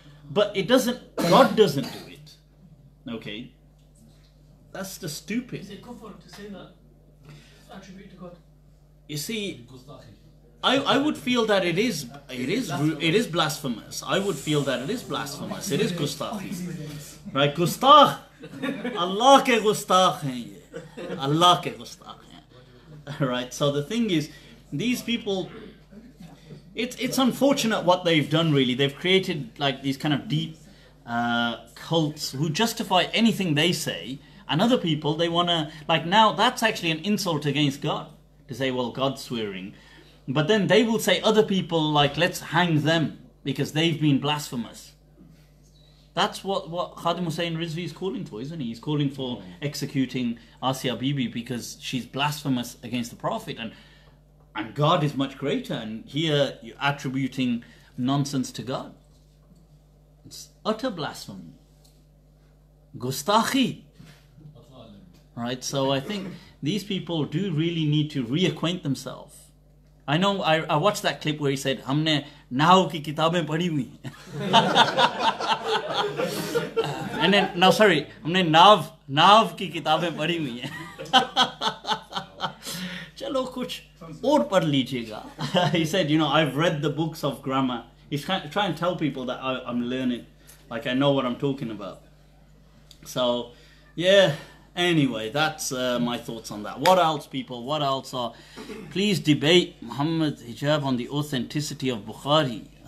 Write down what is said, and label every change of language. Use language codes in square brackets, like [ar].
[en] But it doesn't, God doesn't do it. Okay? That's the stupid. Is it kufr to say that? Attribute to God? You see, I would feel that it is blasphemous. I would feel that it is blasphemous. It is gustakhi. Right? [ur] گستاخ۔ اللہ کے گستاخ ہے۔ اللہ کے گستاخ ہے۔ [en] Right? So the thing is, these people, it's unfortunate what they've done, really. They've created like these kind of deep cults who justify anything they say. And other people, they want to, like, now that's actually an insult against God, to say, well, God's swearing. But then they will say other people, like, let's hang them because they've been blasphemous. That's what Khadim Hussein Rizvi is calling for, isn't he? He's calling for executing Asia Bibi because she's blasphemous against the Prophet. And God is much greater. And here you're attributing nonsense to God. It's utter blasphemy. Gustakhi. Right, so I think these people do really need to reacquaint themselves. I know I watched that clip where he said, [ur] "Humne nahw ki kitabein padhi hui," [en] and then no, sorry, "Humne nahw ki kitabein padhi hui." [ur] چلو کچھ اور پڑھ لیجیے گا۔ [en] He said, "You know, I've read the books of grammar." He's trying to tell people that I'm learning, like I know what I'm talking about. So, yeah. Anyway, that's my thoughts on that. What else, people? What else? Please debate Muhammad Hijab on the authenticity of Bukhari.